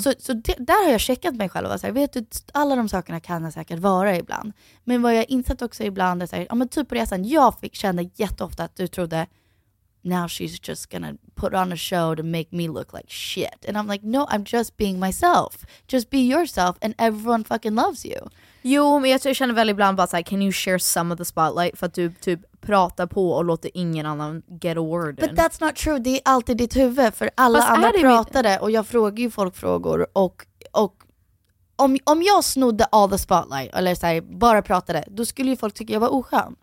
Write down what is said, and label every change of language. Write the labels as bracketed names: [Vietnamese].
[Swedish] Så där har jag checkat mig själv. Så här, vet du, alla de sakerna kan jag säkert vara ibland. Men vad jag insett också ibland är så här, men typ på resan, jag fick känna jätteofta att du trodde, [English] now she's just gonna put on a show to make me look like shit. And I'm like, no, I'm just being myself. Just be yourself and everyone fucking loves you. [Swedish] Jo, men jag känner väl ibland bara såhär, [English] can you share some of the spotlight? [Swedish] För att du typ pratar på och låter ingen annan [English] get a word but in. But that's not true. [Swedish] Det är alltid ditt huvud. För alla fast andra pratade och jag frågar ju folk frågor. Och om jag snodde [English] all the spotlight [Swedish] eller såhär, bara pratade, då skulle ju folk tycka jag var oskön.